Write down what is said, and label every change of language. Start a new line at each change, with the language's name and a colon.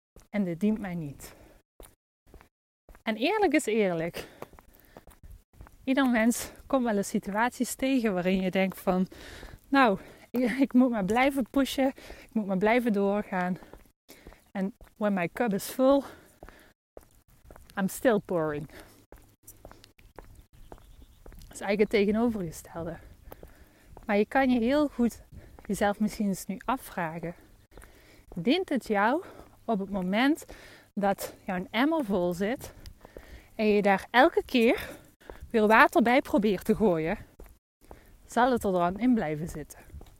Dutch: En dit dient mij niet. En eerlijk is eerlijk. Ieder mens komt wel eens situaties tegen waarin je denkt van, nou, ik moet maar blijven pushen. Ik moet maar blijven doorgaan.
English: En when my cup is full, I'm still pouring.
Dutch: Dat is eigenlijk het tegenovergestelde. Maar je kan je heel goed jezelf misschien eens nu afvragen. Dient het jou op het moment dat jouw emmer vol zit en je daar elke keer weer water bij probeert te gooien, zal het er dan in blijven zitten?